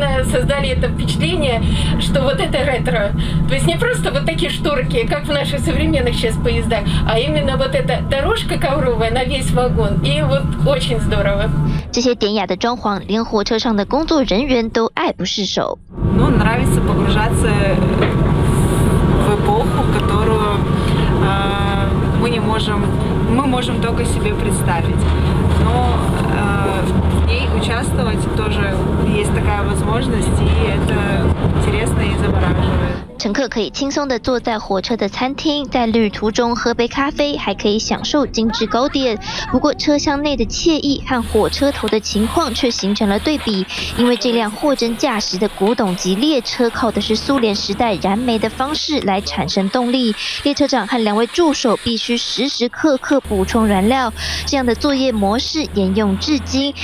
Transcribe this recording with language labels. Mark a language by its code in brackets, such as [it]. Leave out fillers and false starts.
[ru] создали это впечатление, что вот это ретро. То есть не просто вот такие шторки, как в наших современных сейчас поездах, а именно вот эта дорожка ковровая на весь вагон. И вот очень здорово. [zh] 这些典雅的装潢，连火车上的工作人员都爱不释手。 [ru] Ну, нравится погружаться в эпоху, которую мы не можем, мы можем только себе представить. Но участвовать тоже есть такая возможность, и это интересно и завораживает. [zh] 乘客可以轻松地坐在火车的餐厅，在旅途中喝杯咖啡，还可以享受精致糕点。不过车厢内的惬意和火车头的情况却形成了对比，因为这辆货真价实的古董级列车靠的是苏联时代燃煤的方式来产生动力，列车长和两位助手必须时时刻刻补充燃料，这样的作业模式沿用至今。